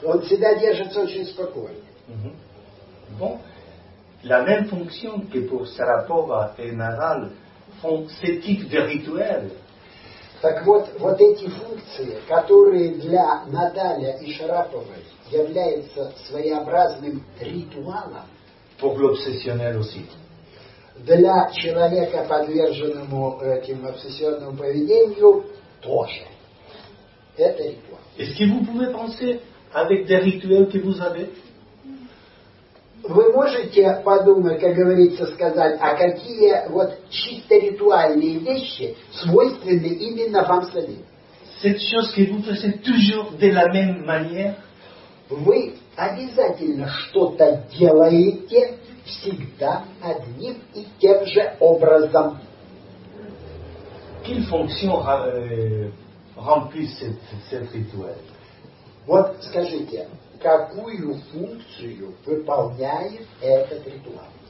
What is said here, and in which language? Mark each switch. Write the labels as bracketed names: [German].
[Russian] Он всегда держится очень спокойно. [French] Bon. La même fonction que pour Sharapova et Nadal font ce type de rituel. [Russian] Так вот, вот эти функции, которые для Надаля и Шараповой являются своеобразным ритуалом, [French] pour l'obsessionnel aussi. [Russian] Для человека, подверженному этим обсессионному поведению, тоже. Это ритуал. [French] Est-ce que vous pouvez penser avec des rituels que vous avez? [Russian] вы можете подумать, как говорится, сказать, а какие вот чисто ритуальные вещи свойственны именно вам самим? [French] Cette chose que vous faites toujours de la même manière, [Russian] вы обязательно что-то делаете всегда одним и тем же образом. [French] Quelle fonction remplit cet rituel? [Russian] Вот скажите, какую функцию выполняет этот ритуал?